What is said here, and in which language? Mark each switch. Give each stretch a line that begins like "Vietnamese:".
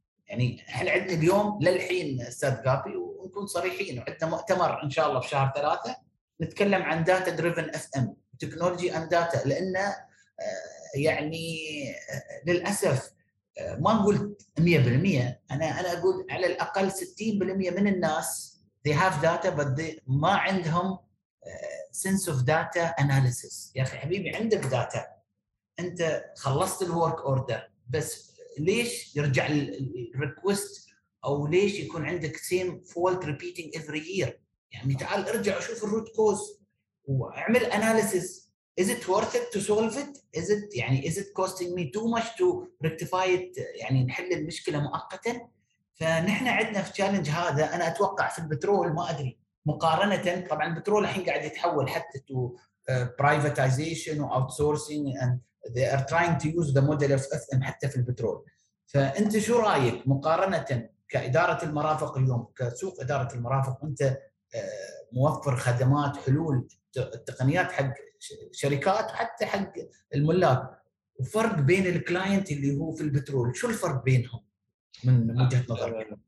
Arabic: يعني احنا عندنا اليوم للحين استاذ قابي ونكون صريحين، عندنا مؤتمر ان شاء الله في شهر 3 نتكلم عن
English: data driven of um technology and data,
Arabic: لان يعني للاسف ما نقول 100%، انا اقول على الاقل 60% من الناس
English: they have data but they
Arabic: ما عندهم
English: sense of data analysis.
Arabic: يا اخي حبيبي عندك داتا، انت خلصت الورك اوردر، بس ليش يرجع الريكوست او ليش يكون عندك
English: Same fault repeating every year?
Arabic: يعني تعال ارجع وشوف الروت كوز واعمل analysis.
English: Is it worth it to solve it? Is it يعني is it costing me too much to rectify it؟
Arabic: يعني نحل المشكلة مؤقتا. فنحن عدنا في تشالنج هذا، أنا أتوقع في البترول ما أدري مقارنة، طبعا البترول الحين قاعد يتحول حتى
English: to privatization
Arabic: و outsourcing
English: and they are trying to use the model of FM
Arabic: حتى في البترول. فأنت شو رأيك مقارنة كإدارة المرافق اليوم، كسوق إدارة المرافق، أنت موفر خدمات حلول التقنيات حق شركات وحتى حق الملاك، وفرق بين الكلاينت اللي هو في البترول، شو الفرق بينهم من وجهة نظرك؟